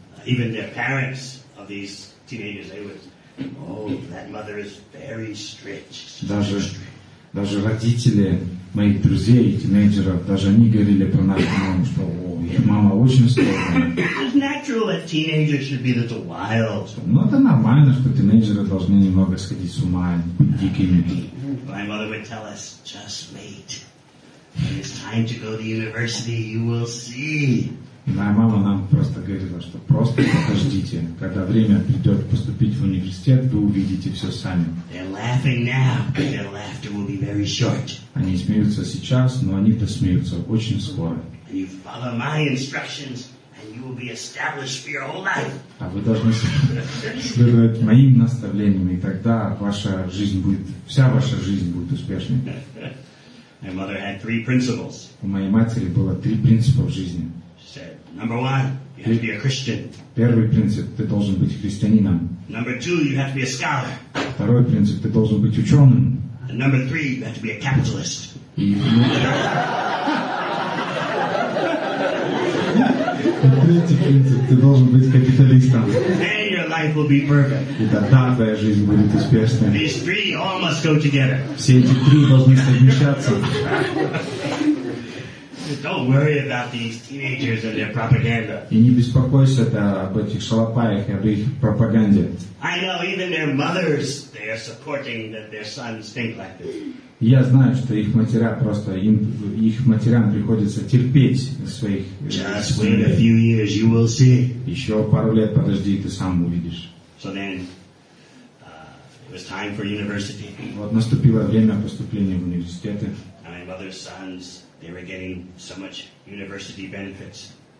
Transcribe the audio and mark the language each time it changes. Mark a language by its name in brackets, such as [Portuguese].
[English] Even their parents of these teenagers, they would, oh, that mother is very strict. [Russian] Даже родители моих друзей, тинейджеров, даже они говорили про нашу маму, что их мама очень строгая. Но это нормально, что тинейджеры должны немного сходить с ума, быть дикими. [English] My mother would tell us, just wait. When it's time to go to university, you will see. [Russian] И моя мама нам просто говорила, что просто подождите, когда время придет поступить в университет, вы увидите все сами. [English] They're laughing now, but their laughter will be very short. [Russian] Они смеются сейчас, но они досмеются очень скоро. [English] And you follow my instructions, and you will be established for your whole life. [Russian] А вы должны следовать моим наставлениям, и тогда ваша жизнь будет, вся ваша жизнь будет успешной. [English] My mother had three principles. [Russian] У моей матери было три принципа в жизни. [English] Number one, you have to be a Christian. [Russian] Первый принцип, ты должен быть христианином. [English] Number two, you have to be a scholar. [Russian] Второй принцип, ты должен быть ученым. [English] And number three, you have to be a capitalist. [Russian] Третий принцип, ты должен быть капиталистом. [English] Then your life will be perfect. [Russian] И тогда твоя жизнь будет успешной. [English] These three all must go together. [Russian] Все эти три должны совмещаться. [English] Don't worry about these teenagers and their propaganda. [Russian] И не беспокойся об этих шалопаях и об их пропаганде. [English] I know even their mothers, they are supporting that their sons think like this. [Russian] Я знаю, что их матеря просто их матерям приходится терпеть своих. [English] Just wait a few years, you will see. [Russian] Еще пару лет подожди, ты сам увидишь. [English] So then, it was time for university. [Russian] Вот наступило время поступления в университеты. [English] And my mother's sons, they were getting so much university benefits.